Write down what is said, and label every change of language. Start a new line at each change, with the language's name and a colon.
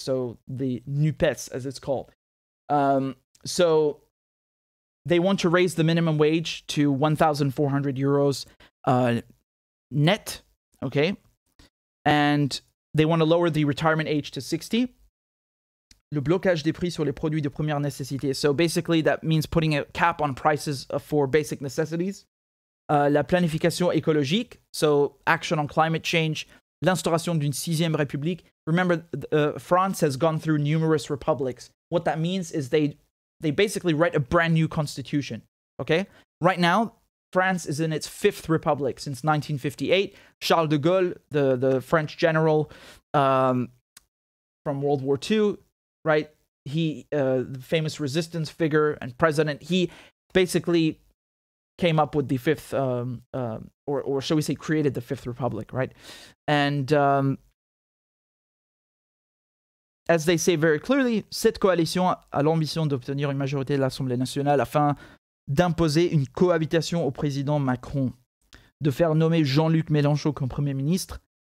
English: So the NUPES, as it's called. So they want to raise the minimum wage to 1,400 euros net, okay? And they want to lower the retirement age to 60.
French: Le blocage des prix sur les produits de première nécessité.
English: So basically, that means putting a cap on prices for basic necessities.
French: La planification écologique,
English: so action on climate change.
French: L'instauration d'une sixième république.
English: Remember, France has gone through numerous republics. What that means is they basically write a brand new constitution, okay? Right now, France is in its fifth republic since 1958. Charles de Gaulle, the French general from World War II, right? He, the famous resistance figure and president, he basically came up with the fifth, or shall we say created the fifth republic, right? And as they say very clearly,
French: cette coalition a l'ambition d'obtenir une majorité de l'Assemblée nationale afin d'imposer une cohabitation au président Macron, de faire nommer Jean-Luc Mélenchon comme premier ministre.